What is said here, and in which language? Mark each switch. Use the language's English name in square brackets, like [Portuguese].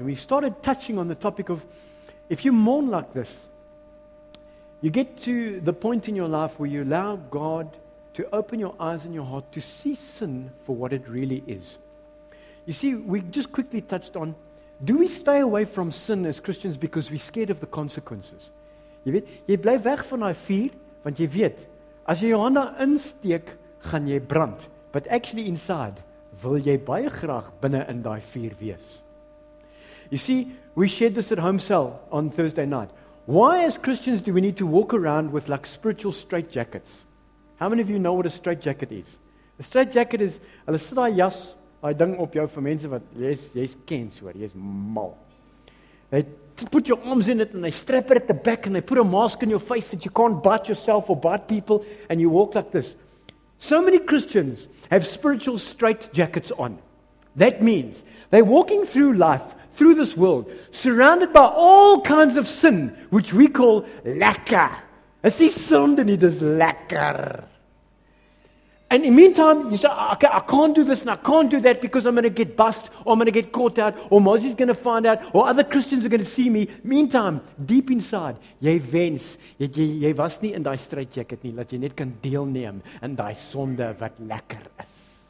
[English] And we started touching on the topic of, if you mourn like this, you get to the point in your life where you allow God to open your eyes and your heart to see sin for what it really is. You see, we just quickly touched on, do we stay away from sin as Christians because we're scared of the consequences? [Afrikaans] You weet, jy bly weg van daai vuur, want jy weet, as jy jou hande insteek, gaan jy brand. [English] But actually inside, [Afrikaans] wil jy baie graag binne in daai vuur wees. [English] You see, we shared this at home cell on Thursday night. Why as Christians do we need to walk around with like spiritual straitjackets? How many of you know what a straitjacket is? [Afrikaans] A straitjacket is, hulle sit daai jas, daai ding op jou vir mense wat, jy's ken so, jy's mal. [English] They put your arms in it and they strap it at the back and they put a mask on your face that you can't bite yourself or bite people and you walk like this. So many Christians have spiritual straitjackets on. That means they're walking through life, through this world, surrounded by all kinds of sin, which we call lekker. [Afrikaans] Is die sonde nie, dis lekker. [English] And in the meantime, you say, "Okay, I can't do this and I can't do that because I'm going to get bust, or I'm going to get caught out, or Moses is going to find out, or other Christians are going to see me." Meantime, deep inside, [Afrikaans] jy wens, jy was nie in die straitjacket nie, dat jy net kan deelneem in die sonde wat lekker is.